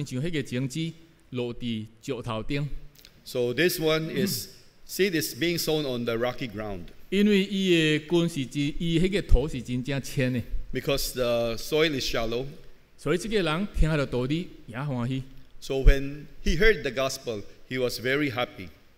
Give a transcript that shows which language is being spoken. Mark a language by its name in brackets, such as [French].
[Min Nan Chinese] 这款的心就是拿亲像那个种子落地石头顶. [English] So this one is seed is being sown on the rocky ground. [Min Nan Chinese] 因为伊的根是真，伊那个土是真正浅的. [English] Because the soil is shallow. [Min Nan Chinese] 所以这个人听到道理也欢喜. [English] So when he heard the gospel, he was very happy.